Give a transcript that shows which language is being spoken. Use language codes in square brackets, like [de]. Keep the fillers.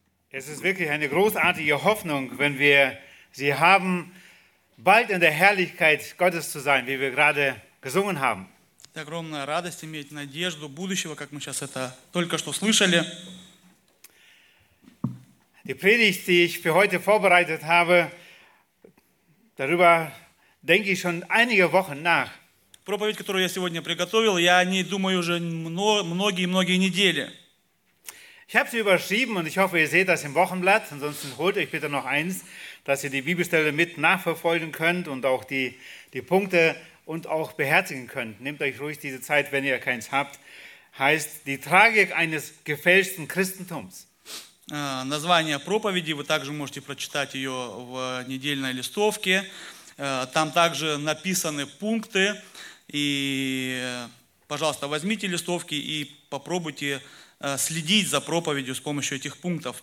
[de] Es ist wirklich eine großartige Hoffnung, wenn wir sie haben, bald in der Herrlichkeit Gottes zu sein, wie wir gerade gesungen haben. [ru] огромная радость иметь надежду будущего, как мы сейчас это только что слышали. [de] Die Predigt, die ich für heute vorbereitet habe, darüber denke ich schon einige Wochen nach. [ru] Проповедь, которую я сегодня приготовил, я о ней думаю уже многие-многие недели. [de] Много, Ich habe sie überschrieben und ich hoffe, ihr seht das im Wochenblatt. Ansonsten holt euch bitte noch eins, dass ihr die Bibelstelle mit nachverfolgen könnt und auch die, die Punkte und auch beherzigen könnt. Nehmt euch ruhig diese Zeit, wenn ihr keins habt. Heißt die Tragik eines gefälschten Christentums. [ru] Äh, название проповеди вы также можете прочитать ее в недельной листовке. Äh, там также написаны пункты. И, äh, пожалуйста, возьмите листовки и попробуйте следить за проповедью с помощью этих пунктов.